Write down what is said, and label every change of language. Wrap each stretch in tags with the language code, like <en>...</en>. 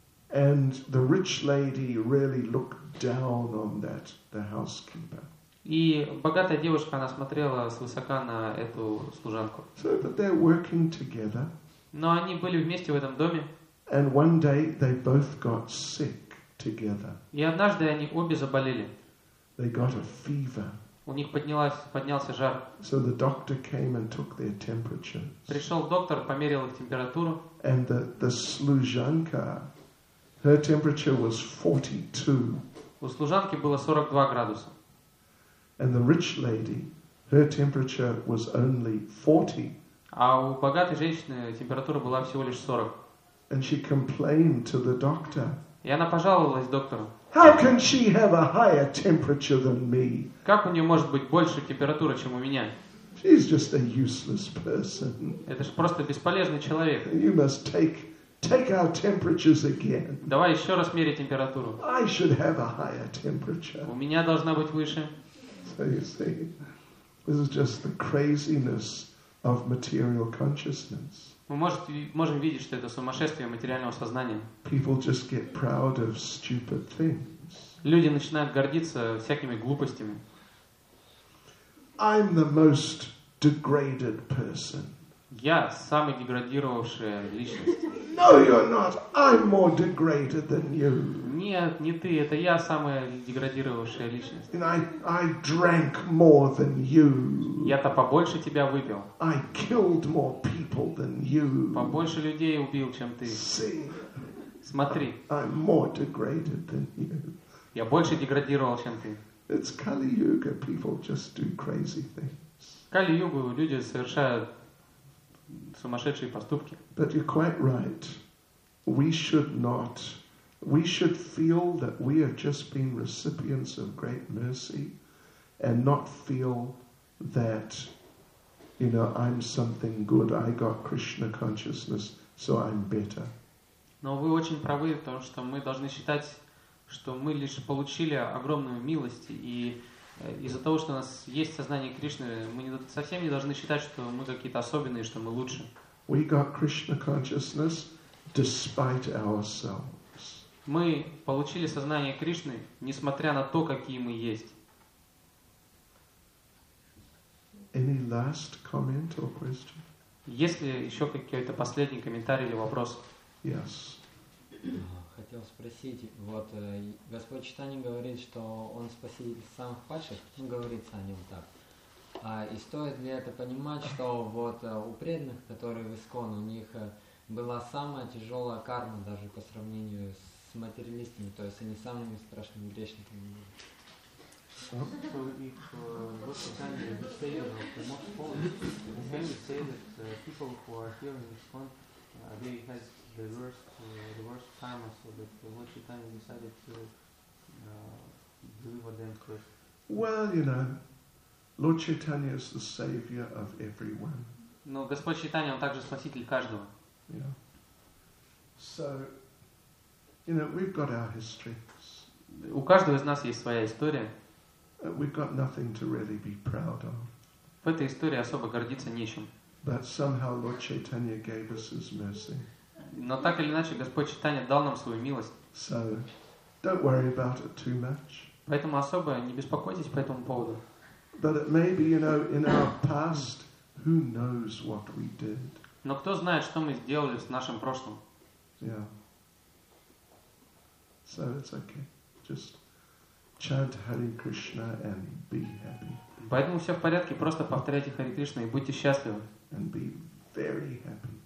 <en>And the rich lady really looked down on that, the housekeeper.</en> <ru>И богатая девушка, она смотрела свысока на эту служанку.</ru> <en>So, but they're working together.</en> <ru>Но они были вместе в этом доме.</ru> <en>And one day they both got sick together.</en> <ru>И однажды они обе заболели.</ru> <en>They got a fever.</en> <ru>У них поднялся жар.</ru> <en>So the doctor came and took their temperatures.</en> <ru>Пришел доктор, померил их температуру.</ru> <en>And the</en> <ru>служанка,</ru> <en>her temperature was 42.</en> <ru>У служанки было 42 градуса.</ru> <en>And the rich lady, her temperature was only 40.</en> <ru>А у богатой женщины температура была всего лишь 40.</ru> <en>And she complained to the doctor.</en> <ru>И она пожаловалась доктору.</ru> <en>How can she have a higher temperature than me?</en> <ru>Как у нее может быть больше температуры, чем у меня?</ru> <en>She's just a useless person.</en> <ru>Это же просто бесполезный человек.</ru> <en>You must take our temperatures again.</en> <ru>Давай еще раз мерить температуру.</ru> <en>I should have a higher temperature.</en> <ru>У меня должна быть выше.</ru> <en>So you see, this is just the craziness of material consciousness.</en> <ru>Мы можем видеть, что это сумасшествие материального сознания.</ru> <en>People just get proud of stupid things.</en> <ru>Люди начинают гордиться всякими глупостями.</ru> <en>I'm the most degraded person.</en> <ru>Я самый деградировавшая личность.</ru> <en>No, you're not. I'm more degraded than you.</en> <ru>Нет, не ты. Это я самая деградировавшая личность.</ru> <en>And I drank more than you.</en> <ru>Я-то побольше тебя выпил.</ru> <en>I killed more people than you.</en> <ru>Побольше людей убил, чем ты.</ru> <en>See,</en> <ru>смотри.</ru> <en>I'm more degraded than you.</en> <ru>Я больше деградировал, чем ты.</ru> <en>It's Kali-Yuga. People just do crazy things.</en> <ru>Кали-Югу люди совершают сумасшедшие поступки.</ru> <en>But you're quite right. We should feel that we are just being recipients of great mercy and not feel that, you know, I'm something good, I got Krishna consciousness, so I'm better.</en> <ru>Но вы очень правы в том, что мы должны считать, что мы лишь получили огромную милость, и из-за того, что у нас есть сознание Кришны, мы совсем не должны считать, что мы какие-то особенные, что мы лучше.</ru> <en>We got Krishna consciousness despite ourselves.</en> <ru>Мы получили сознание Кришны, несмотря на то, какие мы есть.</ru> <en>Any last comment or question?</en> <ru>Есть ли еще какой-то последний комментарий или вопрос?</ru> <en>Yes.</en> <ru>Хотел спросить, вот Господь Чайтанья говорит, что Он спаситель самых падших, говорится о Нем так. И стоит ли это понимать, что вот у преданных, которые в Искон, у них была самая тяжелая карма даже по сравнению с материалистами, то есть они самыми страшными грешниками были.</ru> <en>Well, you know, Lord Chaitanya is the savior of everyone.</en> <ru>Но Господь Чайтанья, он также спаситель каждого.</ru> <en>Yeah. So, you know, we've got our histories.</en> <ru>У каждого из нас есть своя история.</ru> <en>We've got nothing to really be proud of.</en> <ru>В этой истории особо гордиться нечем.</ru> <en>But somehow Lord Chaitanya gave us his mercy.</en> <ru>Но так или иначе Господь Чайтанья дал нам свою милость.</ru> <en>So, don't worry about it too much.</en> <ru>Поэтому особо не беспокойтесь по этому поводу.</ru> <en>But it may be, you know, in our past, who knows what we did?</en> <ru>Но кто знает, что мы сделали в нашем прошлом?</ru> <en>Yeah. So it's okay. Just chant Hare Krishna and be happy.</en> <ru>Поэтому все в порядке. Просто повторяйте Хари Кришна и будьте счастливы.</ru> <en>And be very happy.</en>